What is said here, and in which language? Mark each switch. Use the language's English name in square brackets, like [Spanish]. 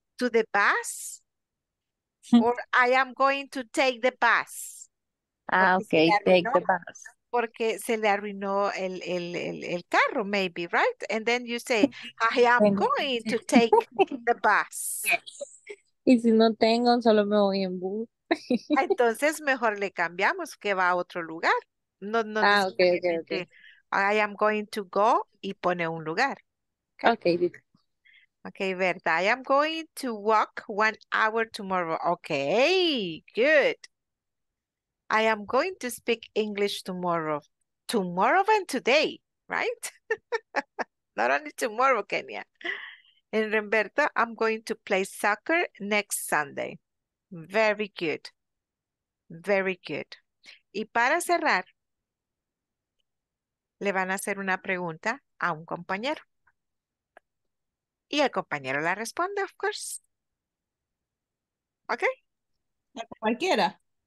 [English] to the bus. Or I am going to take the bus. Ah, okay, take the bus. [Spanish] Porque se le arruinó el carro, [English] maybe, right? And then you say, I am going to take the bus. [Spanish] Y si no tengo, solo me voy en bus. Entonces, mejor le cambiamos que va a otro lugar. No, [English] ah, okay. I am going to go [Spanish] y pone un lugar. [English] Okay, Berta. I am going to walk 1 hour tomorrow. Okay, good. I am going to speak English tomorrow. Tomorrow and today, right? Not only tomorrow, Kenya. And Roberta, I'm going to play soccer next Sunday. Very good. Very good. [Spanish] Y para cerrar, le van a hacer una pregunta a un compañero. Y el compañero la responde, [English] of course. Okay. [Spanish] A cualquiera.